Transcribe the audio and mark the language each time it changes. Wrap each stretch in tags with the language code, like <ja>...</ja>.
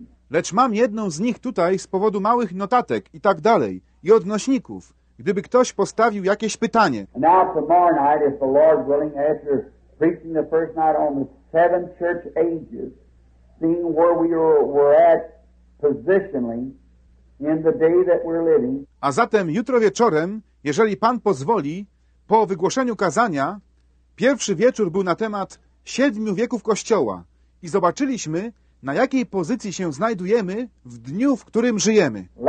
<pl>Lecz mam jedną z nich tutaj z powodu małych notatek i tak dalej, i odnośników, gdyby ktoś postawił jakieś pytanie.</pl> <en>Tomorrow night, if the Lord willing, after preaching the first night on the seven church ages, seeing where we were at positionally in the day that we're living.</en> <pl>A zatem jutro wieczorem, jeżeli Pan pozwoli, po wygłoszeniu kazania, pierwszy wieczór był na temat siedmiu wieków Kościoła i zobaczyliśmy, na jakiej pozycji się znajdujemy w dniu, w którym żyjemy.</pl>